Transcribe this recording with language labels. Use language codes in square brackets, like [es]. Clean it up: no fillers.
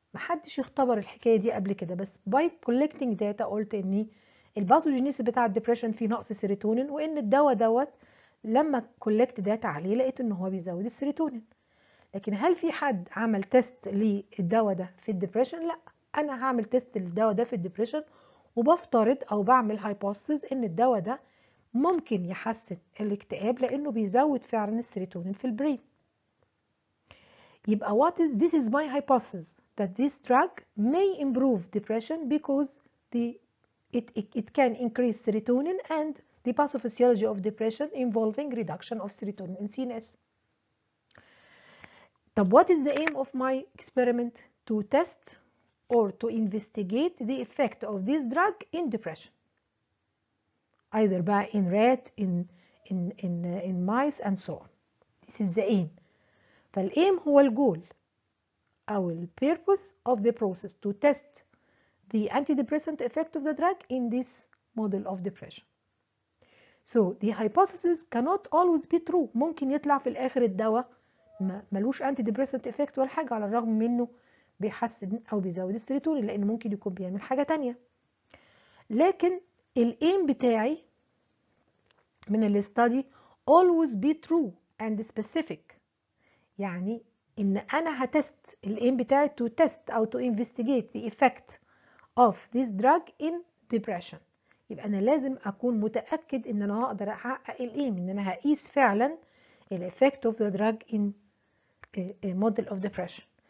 [ar] محدش اختبر الحكايه دي قبل كده، بس [en] by collecting data [ar] قلت ان الباثوجينيس بتاع الدبريشن فيه نقص سيروتونين وان الدواء دوت لما كولكت داتا عليه لقيت ان هو بيزود السيروتونين. لكن هل في حد عمل تيست للدواء ده في الدبريشن؟ لا، انا هعمل تيست للدواء ده في الدبريشن وبفترض او بعمل هايبوثيسيس ان الدواء ده ممكن يحسن الاكتئاب لانه بيزود فعلا السيروتونين في البرين. يبقى [en] what is this is my hypothesis that this drug may improve depression because it can increase serotonin and the pathophysiology of depression involving reduction of serotonin in CNS. [ar] طب [en] what is the aim of my experiment to test or to investigate the effect of this drug in depression either by in rat in mice and so on. This is the aim. [ar] فالإيم هو الجول أو الـ [en] purpose of the process to test the antidepressant effect of the drug in this model of depression. So the hypothesis cannot always be true. [ar] ممكن يطلع في الآخر الدواء ملوش antidepressant effect ولا حاجة على الرغم منه بيحسن او بيزود السيروتونين، لان ممكن يكون بيعمل حاجه تانية. لكن الايم بتاعي من الاستادي [en] always be true and specific، [ar] يعني ان انا هتست الايم بتاعي [en] to test [ar] او [en] to investigate the effect of this drug in depression. [ar] يبقى انا لازم اكون متاكد ان انا هقدر احقق الايم، ان انا هقيس فعلا [en] الايفكت of the drug in model of depression.